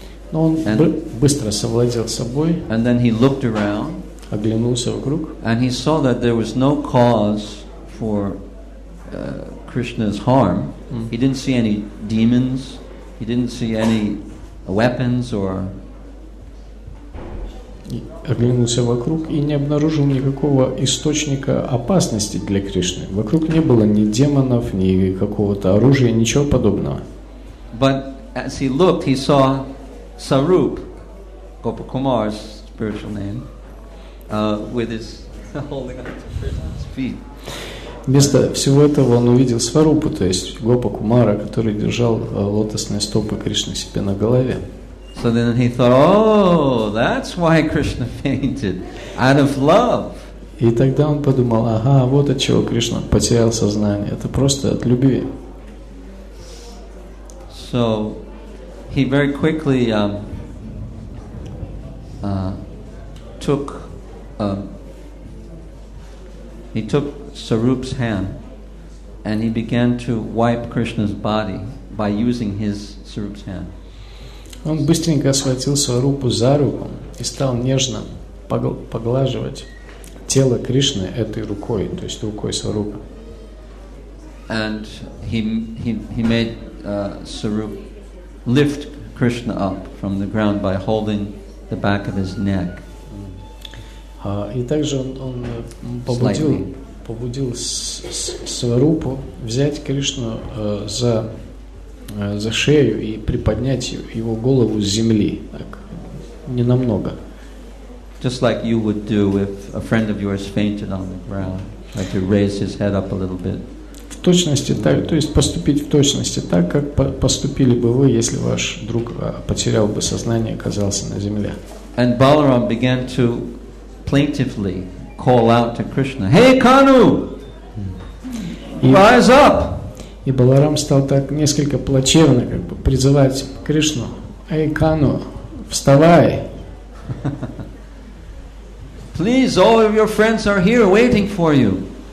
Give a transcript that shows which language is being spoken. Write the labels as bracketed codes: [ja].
[ru] Но он быстро совладел собой. [en] And then he looked around. [ru] Оглянулся вокруг. [en] And he saw that there was no cause for Krishna's harm. He didn't see any demons. He didn't see any weapons or. [ru] Оглянулся вокруг и не обнаружил никакого источника опасности для Кришны. Вокруг не было ни демонов, ни какого-то оружия, ничего подобного. [en] But as he looked, he saw Sarup, Gopakumar's spiritual name, with his holding up to Krishna's feet. [ru] Вместо всего этого он увидел Сварупу, то есть Гопакумара, который держал лотосные стопы Кришны себе на голове. [en] So then he thought, "Oh, that's why Krishna fainted, out of love." [ru] И тогда он подумал, ага, вот от чего Кришна потерял сознание. Это просто от любви. [en] So he very quickly took Sarup's hand, and he began to wipe Krishna's body by using his Sarup's hand. [ru] Он быстренько схватил Сварупу за руку и стал нежно поглаживать тело Кришны этой рукой, то есть рукой Сварупы. [en] And he made Sarup lift Krishna up from the ground by holding the back of his neck. [ru] И также он побудил Сварупу взять Кришну за за шею и приподнять его голову с земли, так, не намного. [en] Just like you would do if a friend of yours fainted on the ground, like to raise his head up a little bit. [ru] В точности так, то есть поступить в точности так, как поступили бы вы, если ваш друг потерял бы сознание и оказался на земле. [en] And Balaram began to plaintively call out to Krishna, "Hey, Kanu! Rise up!" [ru] И Баларам стал так несколько плачевно как бы призывать Кришну: "Эй, Кану, вставай!" [en] Please, all of your friends are here waiting for you.